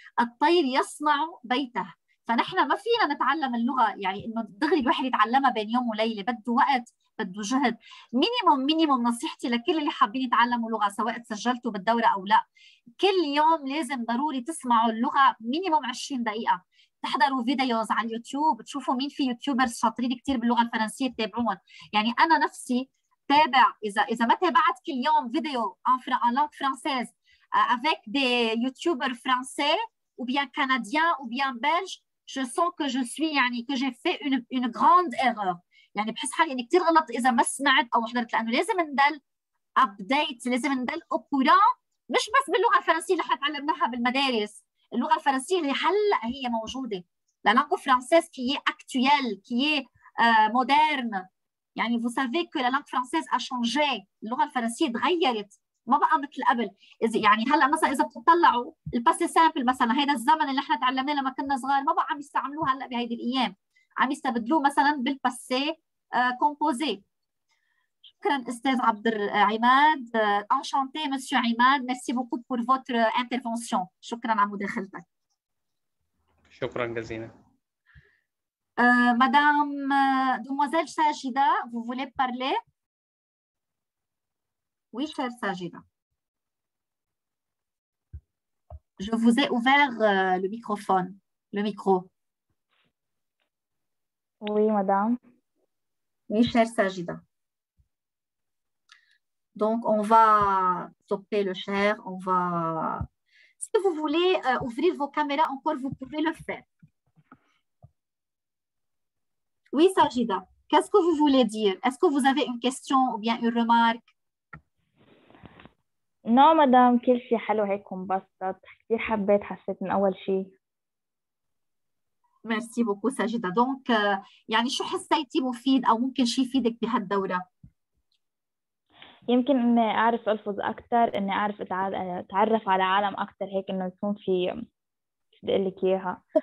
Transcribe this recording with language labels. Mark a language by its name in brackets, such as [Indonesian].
[Arabic] الطير يصنع بيته. فنحن ما فينا نتعلم اللغة يعني إنه دغري الواحد يتعلمها بين يوم وليلة، بده وقت بده جهد. مينيموم مينيموم نصيحتي لكل اللي حابين يتعلموا لغة سواء تسجلتوا بالدورة أو لا، كل يوم لازم ضروري تسمعوا اللغة مينيموم 20 دقيقة، تحضروا فيديوز على اليوتيوب، تشوفوا مين في يوتيوبرز شاطرين كتير باللغة الفرنسية تتابعون. يعني أنا نفسي تابع إذا ما تابعت كل يوم فيديو [French] en langue française avec des youtubeurs français ou bien canadiens ou bien belges, je sens que je suis يعني que j'ai fait une grande erreur. [Arabic] يعني بحس حالي يعني كتير غلط إذا ما سمعت أو حضرت، لأنه لازم ندل أبديت، لازم ندل أبورا، مش بس باللغة الفرنسية اللي حتعلمناها بالمدارس، اللغة الفرنسية اللي هلأ هي موجودة، [French] la langue française qui est actuelle qui est moderne. يعني vous savez que la langue française a changé، [Arabic] اللغة الفرنسية تغيرت ما بقى مثل قبل. إذا يعني هلأ مثلا إذا بتطلعوا الباسي سامبل مثلا، هيدا الزمن اللي احنا تعلمناه لما كنا صغار ما بقى عم يستعملوه هلأ بهيدي الأيام، عم يستبدلوه مثلا بالباسي كومبوزي. شكرا استاذ عبد عماد، انشانتي مسيو عماد، ميرسي بوكو بور فوتر انترفونسيون، شكرا على مداخلتك. شكرا جزيلا. [French] مدام دوموزيل ساجدة، vous voulez parler؟ Oui, chère Sajida. Je vous ai ouvert le microphone, le micro. Oui, madame. Oui, chère Sajida. Donc, on va stopper le cher. On va. Si vous voulez ouvrir vos caméras encore, vous pouvez le faire. Oui, Sajida. Qu'est-ce que vous voulez dire? Est-ce que vous avez une question ou bien une remarque? Non, madame. [Arabic] كل شيء حلو هيك مبسط. كثير حبيت حسيت من أول شيء. [French] Merci beaucoup, Sajida. [Arabic] Donc, يعني شو حسيتي مفيد أو ممكن شيء يفيدك بهالدورة؟ يمكن إني أعرف ألفظ أكثر، إني أعرف أتعرف على عالم أكثر، هيك إنه يكون في بقلك إياها.